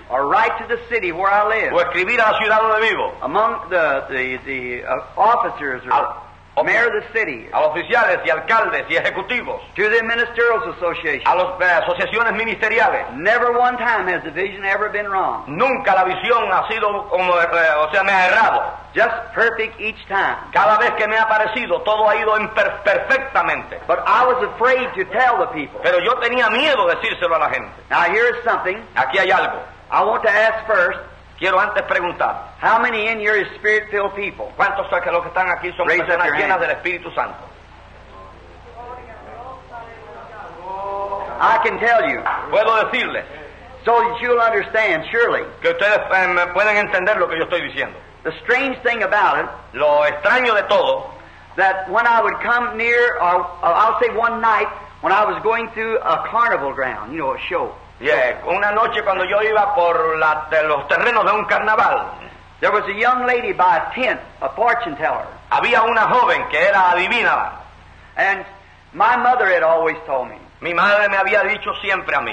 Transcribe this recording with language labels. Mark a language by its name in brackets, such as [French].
[English] Or write to the city where I live. [Spanish] O escribir a la ciudad donde vivo. [English] Among the officers or mayor of the city, [Spanish] a oficiales y alcaldes y ejecutivos, [English] to the ministerial association, [Spanish] a las asociaciones ministeriales. [English] Never one time has the vision ever been wrong. [Spanish] Nunca la visión ha sido como, o sea, me ha errado. [English] Just perfect each time. [Spanish] Cada vez que me ha aparecido, todo ha ido perfectamente. [English] But I was afraid to tell the people. [Spanish] Pero yo tenía miedo decírselo a la gente. [English] Now here is something. [Spanish] Aquí hay algo. [English] I want to ask first. [Spanish] Quiero antes preguntar. [English] How many in here is spirit-filled people? [Spanish] ¿Cuántos de los que están aquí son personas llenas del Espíritu Santo? [English] I can tell you. [Spanish] Puedo decirle. [English] So that you'll understand, surely. [Spanish] Que ustedes pueden entender lo que yo estoy diciendo. [English] The strange thing about it. [Spanish] Lo extraño de todo. [English] That when I would come near, or I'll say one night, when I was going through a carnival ground, you know, a show. [Spanish] Yeah, una noche cuando yo iba por los terrenos de un carnaval. [English] There was a young lady by a tent, a fortune teller. [Spanish] Había una joven que era adivina. [English] And my mother had always told me. [Spanish] Mi madre me había dicho siempre a mí.